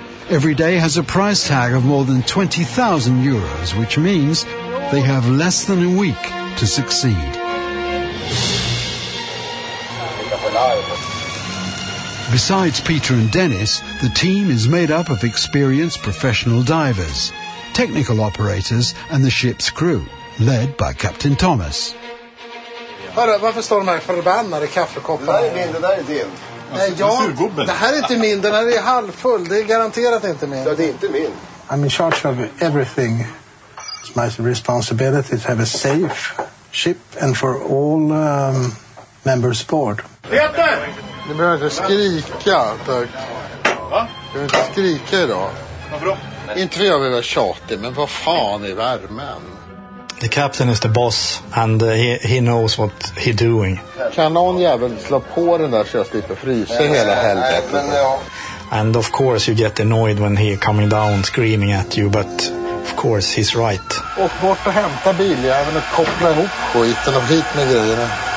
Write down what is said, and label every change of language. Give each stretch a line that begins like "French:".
English: Every day has a price tag of more than 20,000 euros, which means they have less than a week to succeed. Besides Peter and Dennis, the team is made up of experienced professional divers, technical operators, and the ship's crew, led by Captain Thomas.
Swedish: Hörru, varför står de här förbannade kaffekopparna? Det där är min, det där är din. Nej, jag, det här är inte min, den här är halvfull. Det är garanterat inte min. Det är inte min.
English: I'm in charge of everything. It's my responsibility to have a safe ship and for all members board.
Swedish: Peter! Du behöver inte skrika, Dirk. Va? Du behöver inte skrika idag. Varför då? Nej. Inte för jag vill vara tjatig, men vad fan är värmen?
English: The captain is the boss and he knows what he's doing.
Swedish: Kan någon jävel slå på den där så jag slipper frysa hela helvetet?
English: And of course you get annoyed when he coming down screaming at you, but of course he's right.
Swedish: Åk bort och hämta biljäveln och koppla ihop skiten och hit med grejerna.